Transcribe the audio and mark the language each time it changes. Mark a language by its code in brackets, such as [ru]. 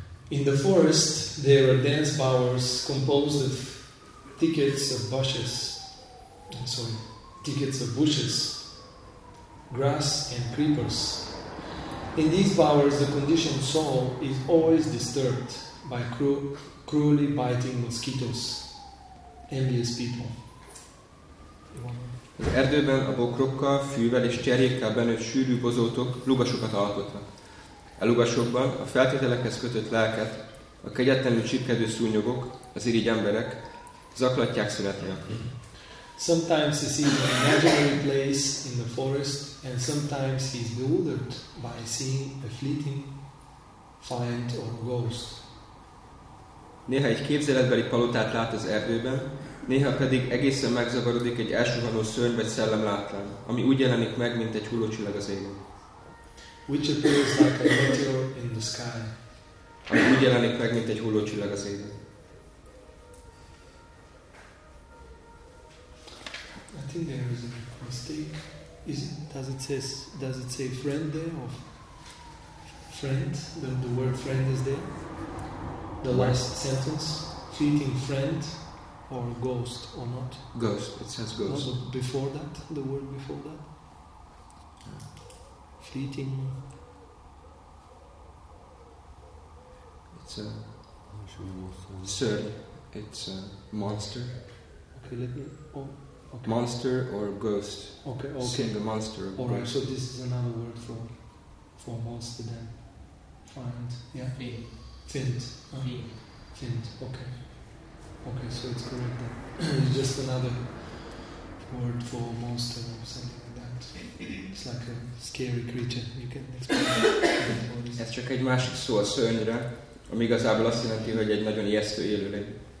[en] In the forest, there were dense bowers composed of thickets of bushes, grass and creepers. In these bowers, the conditioned soul is always disturbed by cruelly biting mosquitoes, envious people. [hu] Az erdőben a bokrokkal, fűvel és cserjékkel benőtt sűrű bozótok lugasokat alkotnak. A lugasokban a feltételekhez kötött lelket, a kegyetlenül csipkedő szúnyogok, az irigy emberek zaklatják szünetnél. [en] Sometimes he sees an imaginary place in the forest, and sometimes he is bewildered by seeing a fleeting find or ghost. [hu] Néha egy képzeletbeli palotát lát az erdőben, néha pedig egészen megzavarodik egy elsuhanó szörny vagy szellem látván, ami úgy jelenik meg, mint egy hullócsillag az égen. [en] Which appears like a meteor in the sky. [hu] Ami úgy jelenik meg, mint egy hullócsillag az égen. [en] I think there is a mistake. Does it say friend there or friend? The word friend is there. The last sentence, fleeting friend or ghost or not? Ghost. It says ghost. Also before that, the word before that. Fleeting. It's a sir. It's a monster. Okay. Let me. Okay. Monster or ghost? Okay. The monster. All right. So this is another word for monster then. Find. Yeah. Fiend. Okay. So it's correct then. Just another word for monster or something like that. It's like a scary creature. You can explain. [hu] Ez csak egy másik szó a szörnyre, ami igazából azt jelenti, hogy egy nagyon ijesztő élőlény.